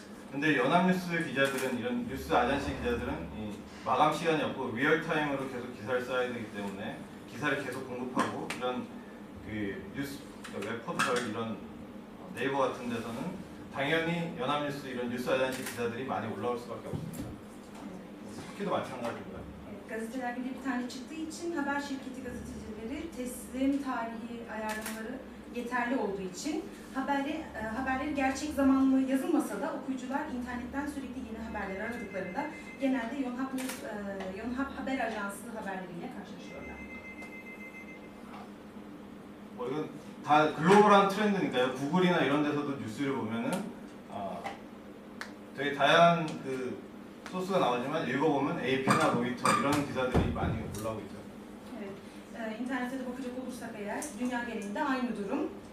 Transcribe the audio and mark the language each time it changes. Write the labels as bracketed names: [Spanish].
[Korean] 근데 연합뉴스 기자들은 이런 뉴스 아저씨 기자들은 이 마감 시간이 없고 리얼타임으로 계속 기사를 써야 되기 때문에 기사를 계속 공급하고 이런 그 뉴스 웹포털 이런 네이버 같은 데서는 당연히 연합뉴스 이런 뉴스 아저씨 기자들이 많이 올라올 수밖에 없습니다. 스키도 마찬가지입니다. 가제트가 근데 [Turkish] bir tane çıktığı için haber şirketi gazetecileri teslim tarihi ayarlamaları yeterli olduğu için haberleri gerçek zamanlı yazılmasa da okuyucular internetten sürekli yeni haberleri aradıklarında genelde Yonhap haber ajansı haberleriyle karşılaşıyorlar. Bu bugün da [Korean] global한 트렌드니까요. Google이나 이런 데서도 뉴스를 보면은 되게 다양한 그 소스가 나오지만 읽어보면 AP나 로이터 이런 기사들이 많이 올라오고 있죠. 인터넷에 [Turkish] bakacak olursak eğer dünya genelinde aynı durum.